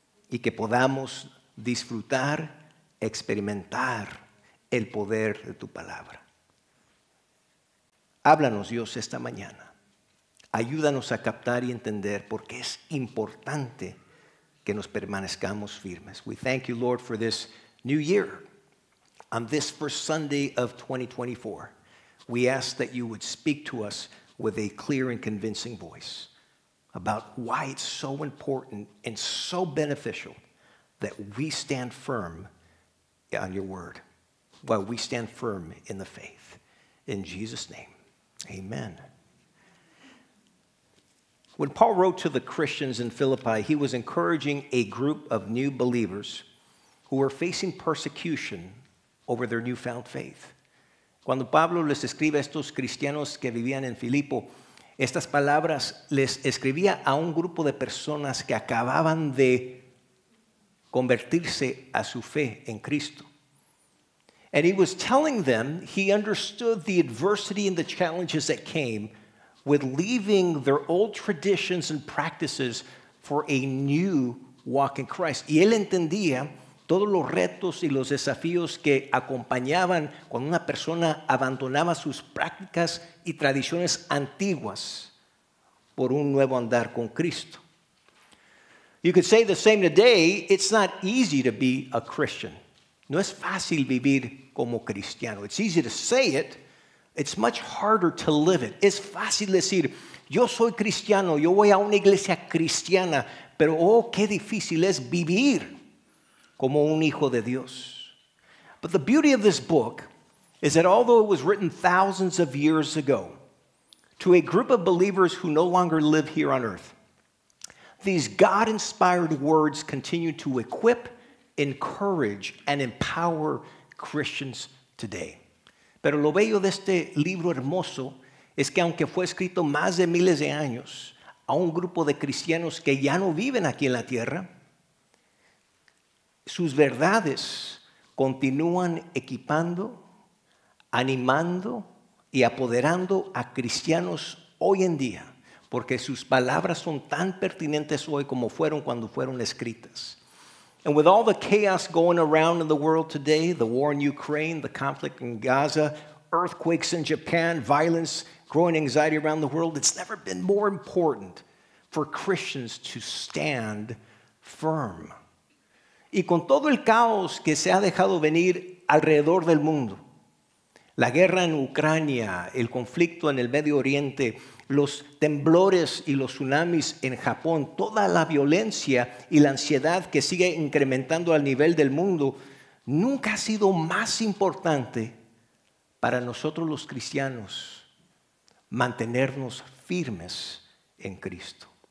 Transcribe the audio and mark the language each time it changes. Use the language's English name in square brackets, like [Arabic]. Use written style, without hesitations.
[Spanish] Y que podamos disfrutar, experimentar el poder de tu palabra. Háblanos, Dios, esta mañana. Ayúdanos a captar y entender por qué es importante que nos permanezcamos firmes. [English] We thank you, Lord, for this new year. On this first Sunday of 2024, we ask that you would speak to us with a clear and convincing voice about why it's so important and so beneficial that we stand firm on your word, while we stand firm in the faith. In Jesus' name, amen. When Paul wrote to the Christians in Philippi, he was encouraging a group of new believers who were facing persecution over their newfound faith. [Spanish] Cuando Pablo les escribe a estos cristianos que vivían en Filipo, estas palabras les escribía a un grupo de personas que acababan de convertirse a su fe en Cristo. [English] And he was telling them he understood the adversity and the challenges that came with leaving their old traditions and practices for a new walk in Christ. [Spanish] Y él entendía todos los retos y los desafíos que acompañaban cuando una persona abandonaba sus prácticas y tradiciones antiguas por un nuevo andar con Cristo. [English] You could say the same today. It's not easy to be a Christian. [Spanish] No es fácil vivir como cristiano. [English] It's easy to say it. It's much harder to live it. [Spanish] Es fácil decir, yo soy cristiano, yo voy a una iglesia cristiana, pero oh, qué difícil es vivir como un hijo de Dios. [English] But the beauty of this book is that although it was written thousands of years ago to a group of believers who no longer live here on earth, these God-inspired words continue to equip, encourage, and empower Christians today. [Spanish] Pero lo bello de este libro hermoso es que aunque fue escrito más de miles de años a un grupo de cristianos que ya no viven aquí en la tierra, sus verdades continúan equipando, animando y apoderando a cristianos hoy en día, porque sus palabras son tan pertinentes hoy como fueron cuando fueron escritas. [English] And with all the chaos going around in the world today, the war in Ukraine, the conflict in Gaza, earthquakes in Japan, violence, growing anxiety around the world, it's never been more important for Christians to stand firm. [Spanish] Y con todo el caos que se ha dejado venir alrededor del mundo, la guerra en Ucrania, el conflicto en el Medio Oriente, los temblores y los tsunamis en Japón, toda la violencia y la ansiedad que sigue incrementando al nivel del mundo, nunca ha sido más importante para nosotros los cristianos mantenernos firmes en Cristo.